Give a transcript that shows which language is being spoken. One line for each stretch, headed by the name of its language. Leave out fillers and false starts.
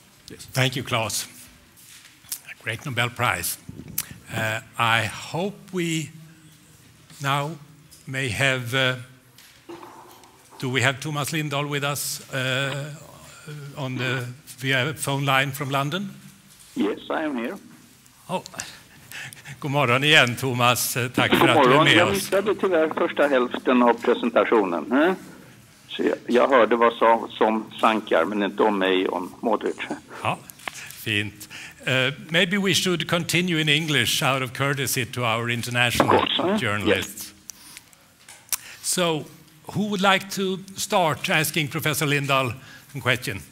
English: Yes. Thank you, Klaus. Great Nobel Prize. I hope we now may have... do we have Tomas Lindahl with us on the via phone line from London? Yes, I am here.
Swedish: Oh, god morgon igen, Tomas. Tack för att du är med oss. Jag missade tyvärr första hälften av presentationen. Så jag hörde vad som Sancar, men inte om mig, om Modrich. Ja, fint.
English: Maybe we should continue in English out of courtesy to our international journalists. So, who would like to start asking Professor Lindahl a question?